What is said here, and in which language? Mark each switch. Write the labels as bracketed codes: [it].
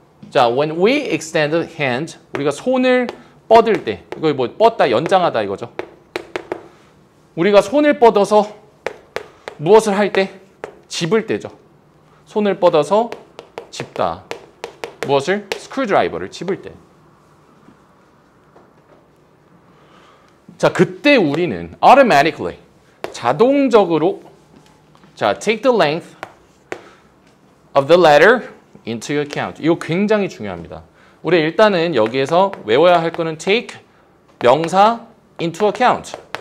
[ko] 자, [en] when we extend a hand, [ko] 우리가 손을 뻗을 때, 이거 뭐 뻗다, 연장하다 이거죠. 우리가 손을 뻗어서 무엇을 할 때? 집을 때죠. 손을 뻗어서 집다. 무엇을? 스크류드라이버를 집을 때. 자, 그때 우리는 [en] automatically, [ko] 자동적으로 자, [en] take the length of the letter into account. [ko] 이거 굉장히 중요합니다. 우리 일단은 여기에서 외워야 할 거는 [en] take [ko] 명사 [en] into account.